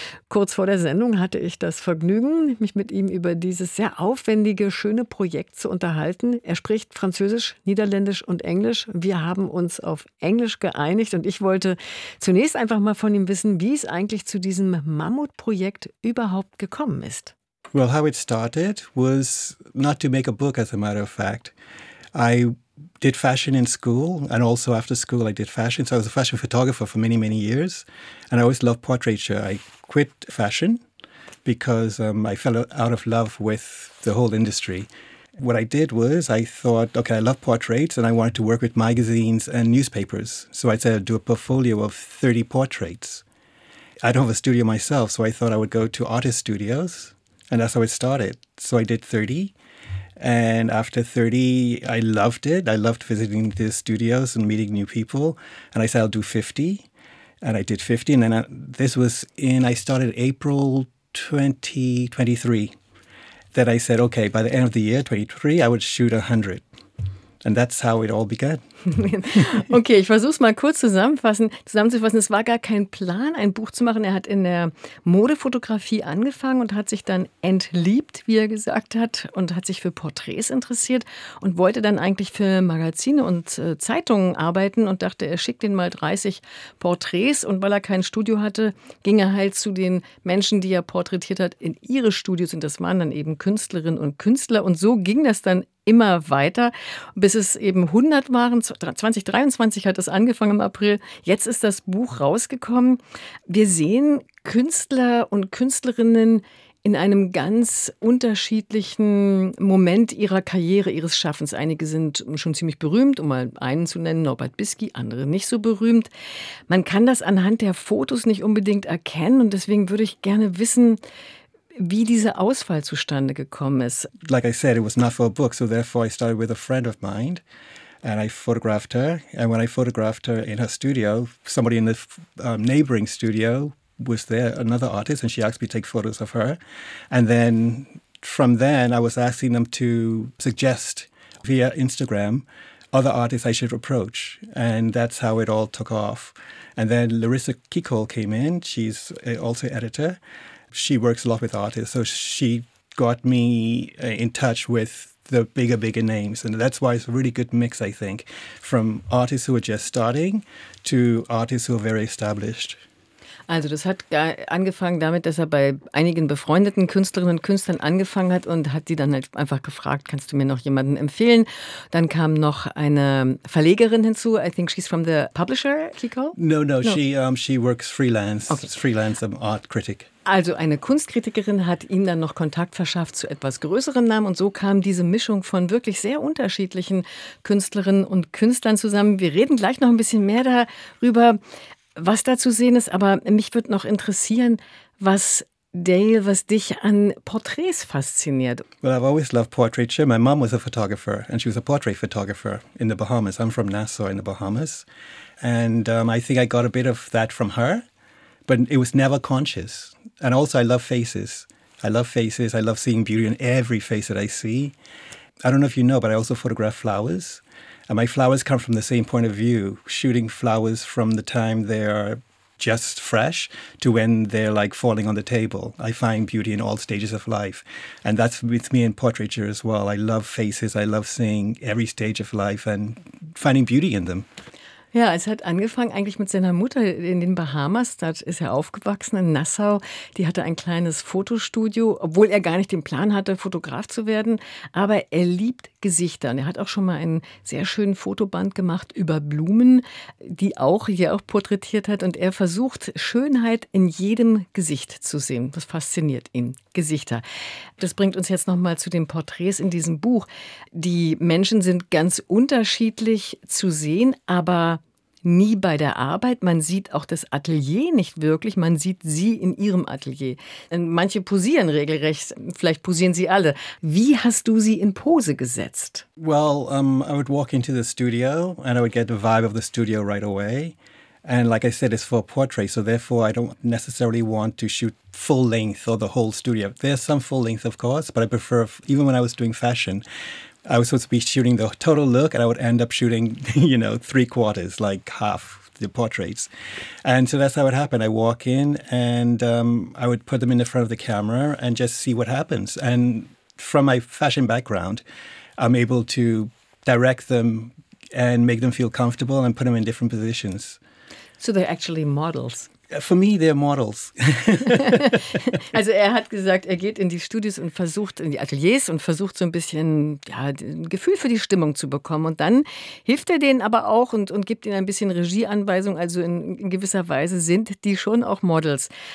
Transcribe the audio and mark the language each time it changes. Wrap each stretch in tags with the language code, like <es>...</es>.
<de>Kurz vor der Sendung hatte ich das Vergnügen, mich mit ihm über dieses sehr aufwendige, schöne Projekt zu unterhalten. Er spricht Französisch, Niederländisch und Englisch. Wir haben uns auf Englisch geeinigt und ich wollte zunächst einfach mal von ihm wissen, wie es eigentlich zu diesem Mammutprojekt überhaupt gekommen ist.</de> <en>Well, how it started was not to make a book, as a matter of fact. I did fashion in school and also after school I did fashion. So I was a fashion photographer for many, many years and I always loved portraiture. I quit fashion because I fell out of love with the whole industry. What I did was I thought, okay, I love portraits and I wanted to work with magazines and newspapers. So I said I'd do a portfolio of 30 portraits. I don't have a studio myself, so I thought I would go to artist studios and that's how it started. So I did 30. And after 30, I loved it. I loved visiting the studios and meeting new people. And I said, I'll do 50. And I did 50. And then I started April 2023. Then I said, okay, by the end of the year, 23, I would shoot 100. And that's how it all began.</en> <de>Okay, ich versuche es mal kurz zusammenzufassen. Es war gar kein Plan, ein Buch zu machen. Er hat in der Modefotografie angefangen und hat sich dann entliebt, wie er gesagt hat, und hat sich für Porträts interessiert und wollte dann eigentlich für Magazine und Zeitungen arbeiten und dachte, er schickt den mal 30 Porträts. Und weil er kein Studio hatte, ging er halt zu den Menschen, die er porträtiert hat, in ihre Studios. Und das waren dann eben Künstlerinnen und Künstler. Und so ging das dann immer weiter, bis es eben 100 waren. 2023 hat es angefangen im April. Jetzt ist das Buch rausgekommen. Wir sehen Künstler und Künstlerinnen in einem ganz unterschiedlichen Moment ihrer Karriere, ihres Schaffens. Einige sind schon ziemlich berühmt, um mal einen zu nennen, Norbert Bisky, andere nicht so berühmt. Man kann das anhand der Fotos nicht unbedingt erkennen und deswegen würde ich gerne wissen, wie diese Auswahl zustande gekommen ist.</de> <en>Like I said, it was not for a book, so therefore I started with a friend of mine. And I photographed her. And when I photographed her in her studio, somebody in the neighboring studio was there, another artist, and she asked me to take photos of her. And then from then, I was asking them to suggest via Instagram other artists I should approach. And that's how it all took off. And then Larissa Kikol came in. She's also an editor. She works a lot with artists. So she got me in touch with the bigger names. And that's why it's a really good mix, I think, from artists who are just starting to artists who are very established.</en> <de>Also das hat angefangen damit, dass er bei einigen befreundeten Künstlerinnen und Künstlern angefangen hat und hat die dann halt einfach gefragt, kannst du mir noch jemanden empfehlen? Dann kam noch eine Verlegerin hinzu.</de> <en>I think she's from the publisher, Kiko? No. She works freelance. Okay. Freelance, I'm art critic.</en> <de>Also eine Kunstkritikerin hat ihm dann noch Kontakt verschafft zu etwas größeren Namen und so kam diese Mischung von wirklich sehr unterschiedlichen Künstlerinnen und Künstlern zusammen. Wir reden gleich noch ein bisschen mehr darüber, was da zu sehen ist, aber mich würde noch interessieren, was dich an Porträts fasziniert.</de> <en>Well, I've always loved portraiture. My mom was a photographer and she was a portrait photographer in the Bahamas. I'm from Nassau in the Bahamas. And I think I got a bit of that from her, but it was never conscious. And also I love faces. I love faces. I love seeing beauty in every face that I see. I don't know if you know, but I also photograph flowers. And my flowers come from the same point of view, shooting flowers from the time they are just fresh to when they're like falling on the table. I find beauty in all stages of life. And that's with me in portraiture as well. I love faces. I love seeing every stage of life and finding beauty in them.</en> <de>Ja, es hat angefangen eigentlich mit seiner Mutter in den Bahamas. Da ist er aufgewachsen in Nassau. Die hatte ein kleines Fotostudio, obwohl er gar nicht den Plan hatte, Fotograf zu werden. Aber er liebt Gesichter. Und er hat auch schon mal einen sehr schönen Fotoband gemacht über Blumen, die auch hier auch porträtiert hat. Und er versucht, Schönheit in jedem Gesicht zu sehen. Das fasziniert ihn, Gesichter. Das bringt uns jetzt nochmal zu den Porträts in diesem Buch. Die Menschen sind ganz unterschiedlich zu sehen, aber nie bei der Arbeit. Man sieht auch das Atelier nicht wirklich. Man sieht sie in ihrem Atelier. Und manche posieren regelrecht. Vielleicht posieren sie alle. Wie hast du sie in Pose gesetzt?</de> <en>Well, I would walk into the studio and I would get the vibe of the studio right away. And like I said, it's for a portrait, so therefore I don't necessarily want to shoot full length or the whole studio. There's some full length, of course, but I prefer, even when I was doing fashion, I was supposed to be shooting the total look and I would end up shooting, you know, three quarters, like half the portraits. And so that's how it happened. I walk in and I would put them in the front of the camera and just see what happens. And from my fashion background, I'm able to direct them and make them feel comfortable and put them in different positions. So they're actually models. For me, they're models.</en> <de>Also er hat gesagt, er geht in die Studios und versucht, in die Ateliers und versucht so ein bisschen ja, ein Gefühl für die Stimmung zu bekommen. Und dann hilft er denen aber auch und gibt ihnen ein bisschen Regieanweisung. Also in gewisser Weise sind die schon auch Models.</de>